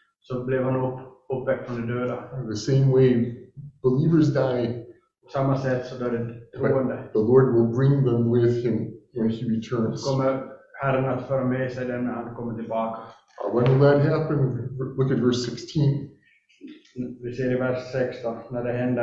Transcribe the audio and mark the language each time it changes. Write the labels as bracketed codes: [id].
[sv] Så blev han uppväckt från de döda. [en] The same way believers die, [sv] samma sätt så dör troende. [en] The Lord will bring them with him when he returns. [sv] Kommer Herren att föra med sig dem när han kommer tillbaka. [en] When will that happen? Look at verse 16. [sv] Vi ser i vers 16 när det händer.